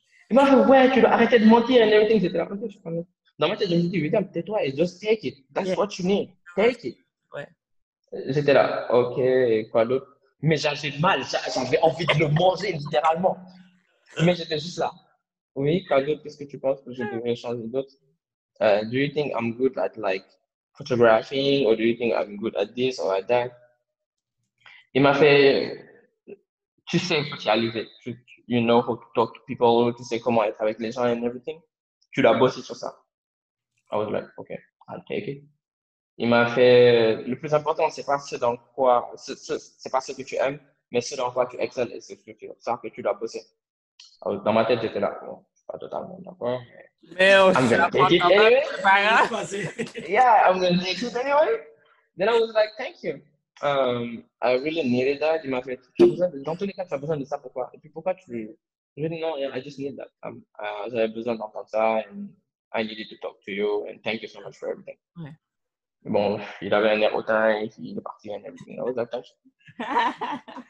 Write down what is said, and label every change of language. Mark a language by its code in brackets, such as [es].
[fr] Il m'a fait, ouais, tu dois arrêter de mentir [en] and everything. [fr] J'étais là, comme ça, je suis comme... Dans ma tête, je me dis, William, tais-toi et [en] just take it. That's what you need. Take it. [fr] Ouais. J'étais là, ok, quoi d'autre? Mais j'avais mal, j'avais envie de le manger littéralement. Mais j'étais juste là. Oui, quoi d'autre? Qu'est-ce que tu penses que je devrais changer d'autre? [en] Do you think I'm good at like photographing or do you think I'm good at this or at that? [fr] Il m'a fait, tu sais socialiser. [en] You know how to talk to people, [fr] tu sais comment être avec les gens [en] and everything. [fr] Tu l'as bossé sur ça. [en] I was like, okay, I'll take it. [fr] Il m'a fait, le plus important, c'est pas ce dans quoi, c'est pas ce que tu aimes, mais ce dans quoi tu excelles et c'est ce que tu ça que tu dois bosser. Alors, dans ma tête, j'étais là, bon, pas totalement d'accord. Mais [en] I'm gonna take it anyway. I'm gonna take it anyway. Then I was like, thank you. I really needed that. [fr] Il m'a fait, dans tous les cas, tu as besoin de ça, pourquoi? Et puis pourquoi tu veux? Non, [en] I just need that. [fr] J'avais besoin d'entendre ça. [en] I needed to talk to you and thank you so much for everything. [fr] Ouais. Bon, il avait un air hautain, il est parti [en] and everything. I was like, thank you.